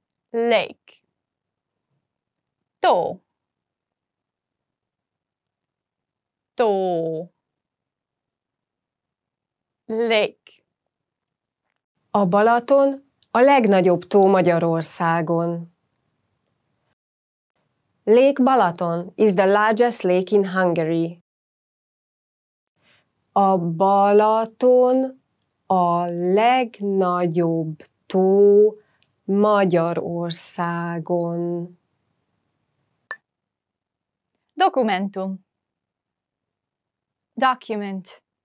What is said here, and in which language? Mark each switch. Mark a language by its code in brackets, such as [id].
[en] Lake. Tó. [hu] Tó. [en] Lake. [hu] A Balaton a legnagyobb tó Magyarországon. [en] Lake Balaton is the largest lake in Hungary. [hu] A Balaton a legnagyobb tó Magyarországon. Dokumentum. Document.